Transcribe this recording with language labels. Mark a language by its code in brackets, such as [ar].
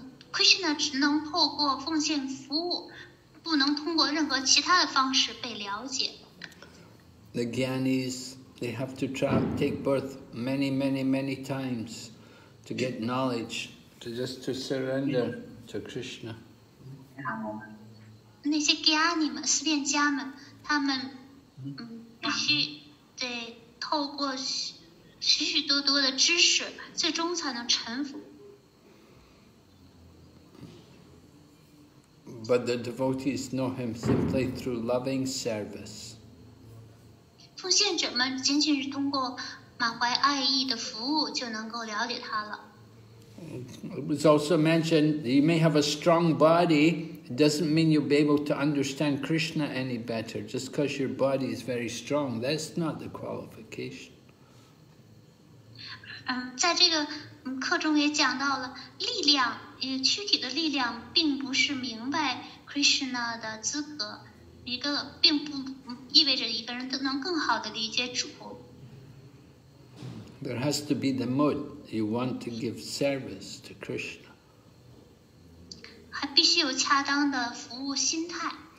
[zh] Krishna 只能透过奉献服务，不能通过任何其他的方式被了解。 [en] The gyanis, they have to take birth many, many, many times to get knowledge, to surrender to Krishna. [zh] 那些 gyani 们，思辨家们，他们必须得透过许许多多的知识，最终才能臣服。 [en] But the devotees know him simply through loving service. [zh] 奉献者们仅仅是通过满怀爱意的服务就能够了解他了。 [en] It was also mentioned you may have a strong body, it doesn't mean you'll be able to understand Krishna any better. Just because your body is very strong, that's not the qualification. [zh] 在这个课中也讲到了力量。躯体的力量并不是明白 Krishna 的资格，一个并不意味着一个人都能更好的理解主。 [en] There has to be the mood you want to give service to Krishna. [zh] 还必须有恰当的服务心态。